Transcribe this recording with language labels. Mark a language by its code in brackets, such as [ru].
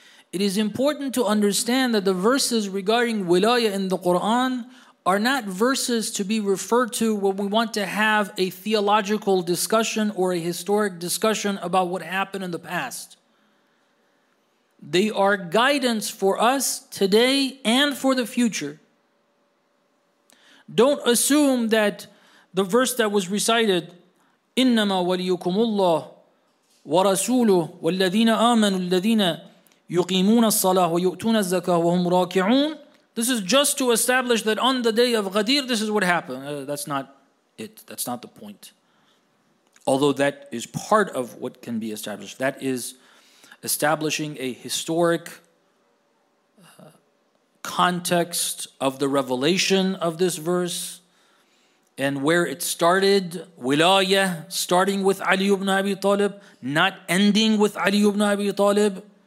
[en] It is important to understand that the verses regarding wilaya in the Quran are not verses to be referred to when we want to have a theological discussion or a historic discussion about what happened in the past. They are guidance for us today and for the future. Don't assume that the verse that was recited, [ar] إِنَّمَا وَلِيُّكُمُ اللَّهُ وَرَسُولُهُ وَالَّذِينَ آمَنُوا الَّذِينَ يُقِيمُونَ الصَّلَاةُ وَيُؤْتُونَ الزَّكَاةُ وَهُمْ رَاكِعُونَ. [en] This is just to establish that on the day of Ghadir, this is what happened. That's not it. That's not the point. Although that is part of what can be established. That is establishing a historic context of the revelation of this verse and where it started, wilaya, starting with Ali ibn Abi Talib, not ending with Ali ibn Abi Talib.